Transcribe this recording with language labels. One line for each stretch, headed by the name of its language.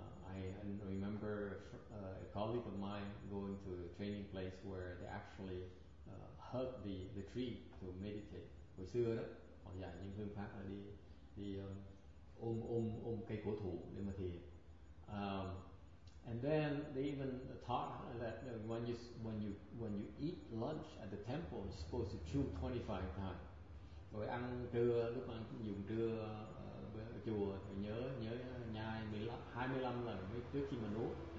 English: I remember a colleague of mine going to a training place where they actually hug the tree to meditate.
Vietnamese: Hồi xưa đó, họ dạy những phương pháp là đi ôm cây cổ thụ để mà thiền.
English: And then they even taught that when you eat lunch at the temple, you're supposed to chew 25 times.
Vietnamese: Rồi ăn trưa, lúc ăn dùng trưa ở chùa thì nhớ nhai 25 lần trước khi mà nuốt.